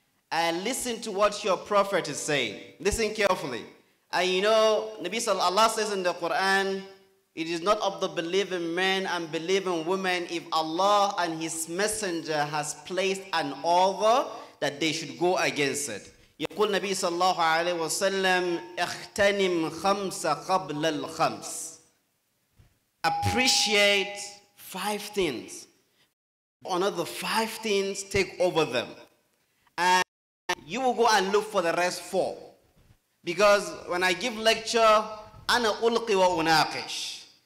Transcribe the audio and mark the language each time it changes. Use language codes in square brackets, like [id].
[en] And listen to what your prophet is saying. Listen carefully. And you know, Nabi sallallahu alayhi wa sallam says in the Quran, it is not of the believing men and believing women if Allah and His Messenger has placed an order that they should go against it. [ar] يقول نبي صلى الله عليه وسلم اختنم خمسة قبل الخمس. [en] Appreciate five things. Honor the five things, take over them. And you will go and look for the rest four. Because when I give lecture, [ar] أنا ألقي وأناقش.